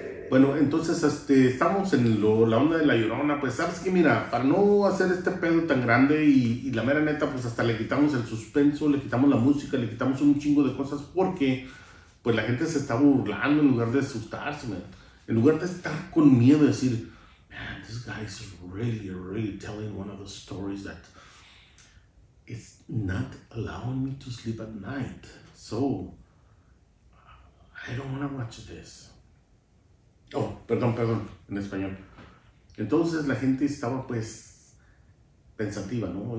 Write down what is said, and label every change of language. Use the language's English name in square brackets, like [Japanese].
[Spanish] Bueno, entonces estamos en la onda de la Llorona. Pues sabes que, mira, para no hacer este pedo tan grande y la mera neta, pues hasta le quitamos el suspenso, le quitamos la música, le quitamos un chingo de cosas porque pues la gente se está burlando en lugar de asustarse, man. En lugar de estar con miedo y decir, [English] man, this guy is really, really telling one of the stories that it's not allowing me to sleep at night. So, I don't want to watch this. [Spanish] Oh, perdón, en español. Entonces la gente estaba, pues, pensativa, ¿no?